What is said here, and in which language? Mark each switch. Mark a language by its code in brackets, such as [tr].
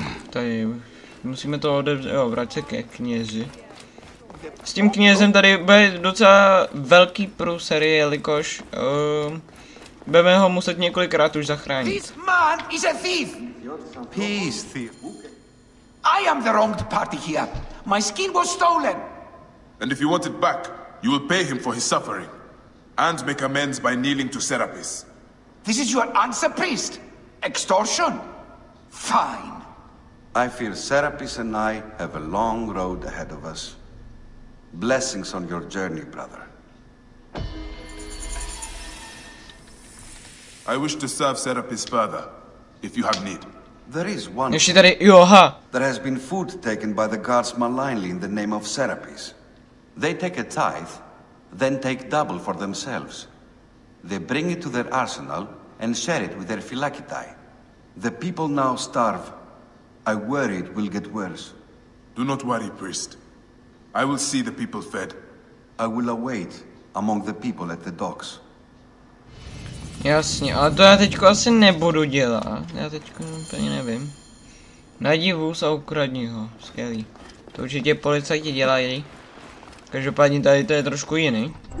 [cs] Tady musíme to odevzít, jo, vrát se ke knězi. S tím knězem tady bude docela velký průser, jelikož budeme ho muset několikrát už zachránit. [en] This man is a thief. Peace, thief. I am the wronged party here. My skin was stolen. And if you want it back, you will pay him for his suffering and make amends by kneeling to Serapis. This is your answer, priest. Extortion? Fine. I feel Serapis and I have a long road ahead of us. Blessings on your journey, brother. I wish to serve Serapis further, if you have need. There is one. [cs] Ještě tady, jo, ha. [en] There has been food taken by the guards malignly in the name of Serapis. They take a tithe, then take double for themselves. They bring it to their arsenal and share it with their phylactae. The people now starve. I worry it will get worse. Do not worry, priest. I will see the people fed. I will await among the people at the docks. [cs] Jasně, ale to já teďko asi nebudu dělat. Já teďko úplně nevím. Najdi vůz a ukradni ho. Skvělý. To určitě policajti dělají. Každopádně tady to je trošku jiný.